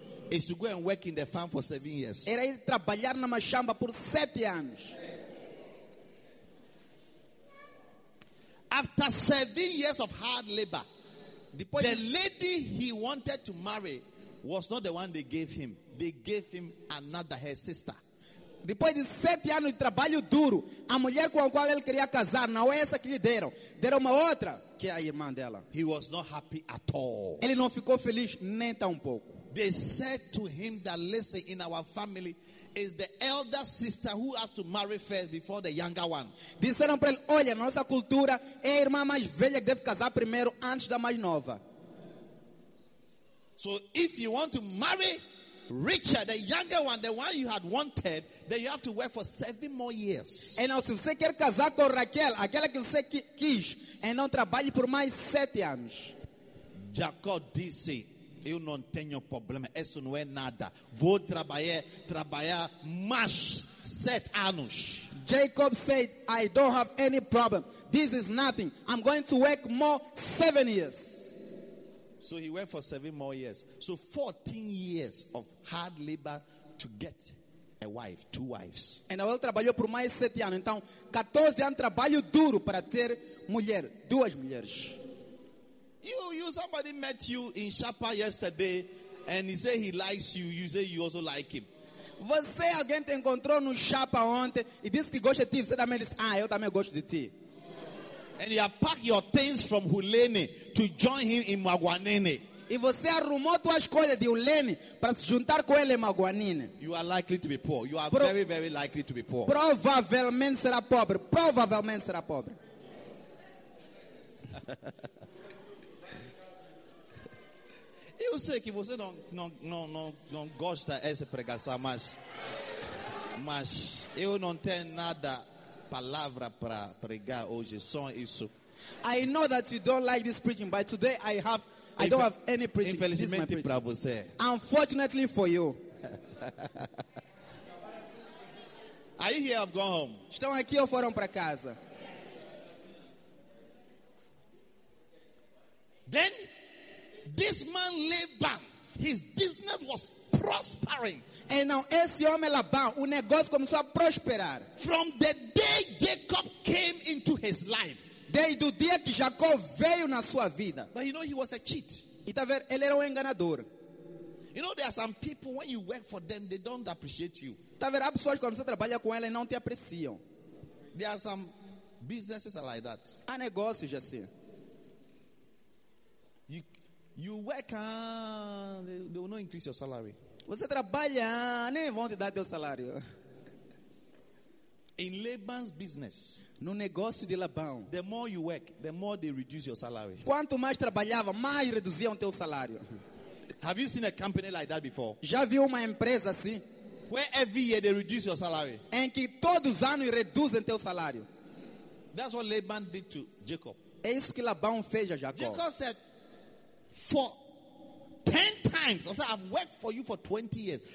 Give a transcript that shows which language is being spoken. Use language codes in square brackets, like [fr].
[en] is to go and work in the farm for 7 years. [pt] Era ir trabalhar na machamba por 7 anos. [en] After 7 years of hard labor, [pt] depois [en] the lady he wanted to marry was not the one they gave him. They gave him another, her sister. [pt] Depois de 7 anos de trabalho duro, a mulher com a qual ele queria casar não é essa que lhe deram. Deram uma outra, que é a irmã dela. [en] He was not happy at all. [pt] Ele não ficou feliz nem tão pouco. [en] They said to him that, "Listen, in our family, is the elder sister who has to marry first before the younger one." [pt] Disseram para ele, "Olha, na nossa cultura, é a irmã mais velha que deve casar primeiro antes da mais nova." [en] So, if you want to marry Richard, the younger one, the one you had wanted, then you have to work for 7 more years. [pt] E não, se você quer casar com Raquel, aquela que você quis, e não trabalhe por mais 7 anos. Jacob disse, "Eu não tenho problema, isso não é nada. Vou trabalhar mais 7 anos. [en] Jacob said, "I don't have any problem. This is nothing. I'm going to work more 7 years. So he went for 7 more years. So 14 years of hard labor to get a wife, 2 wives. [pt] And ele trabalhou por mais 7 anos. Então, 14 anos de trabalho duro para ter mulher, 2 mulheres. [en] You somebody met you in Chapa yesterday and he said he likes you. You say you also like him. [pt] Você, alguém te encontrou no Chapa ontem e disse que gosta de ti. Você também disse, "Ah, eu também gosto de ti." [en] And you have packed your things from Hulene to join him in Maguanene. [pt] E você arrumou tua escolha de Hulene para se juntar com ele em Maguanene. [en] You are likely to be poor. You are very, very likely to be poor. [pt] Provavelmente será pobre. Provavelmente será pobre. Eu sei que você não gosta dessa pregação, mas eu não tenho nada palavra para pregar hoje, só isso. [en] I know that you don't like this preaching, but today I don't have any preaching. [pt] Infelizmente para você. [en] Unfortunately for you. Are you here? I've gone home. [pt] Estão aqui ou foram para casa? [en] Then this man Laban, his business was prospering. And now, [pt] esse homem Labão, o negócio começou a prosperar. [en] From the day Jacob came into his life. [pt] Desde o dia que Jacob veio na sua vida. [en] But you know, he was a cheat. [pt] E tá vendo, ele era enganador. [en] You know, there are some people, when you work for them, they don't appreciate you. [pt] Tá vendo, há pessoas que quando você trabalha com elas, não te apreciam. [en] There are some businesses are like that. [pt] Há negócios assim. [en] You work, they will not increase your salary. [pt] Você trabalha, nem vão te dar teu salário. [en] In Laban's business, [pt] no negócio de Labão, [en] the more you work, the more they reduce your salary. [pt] Quanto mais trabalhava, mais reduziam teu salário. [en] Have you seen a company like that before? [pt] Já viu uma empresa assim? [en] Where every year they reduce your salary. [pt] Em que todos os anos reduzem teu salário. [en] That's what Laban did to Jacob. [pt] É isso que Labão fez a Jacob. [en] Jacob said, for 10 times, I've worked for you for 20 years.